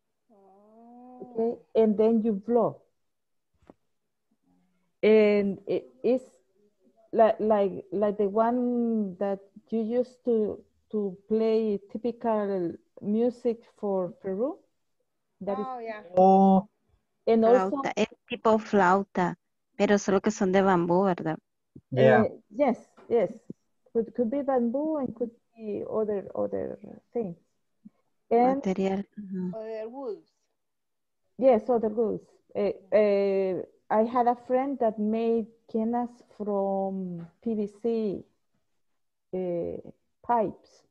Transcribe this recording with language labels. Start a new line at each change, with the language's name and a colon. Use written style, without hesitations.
English: Okay, and then you blow. And it's like the one that you used to play typical music for Peru. That is And
Spanish: flauta,
English: also
Spanish: es tipo flauta, pero solo que son de bambú, ¿verdad?
English: Yeah. Yes. Could be bamboo and could be other things. And material. Other woods. Yes, other woods. I had a friend that made quenas from PVC pipes.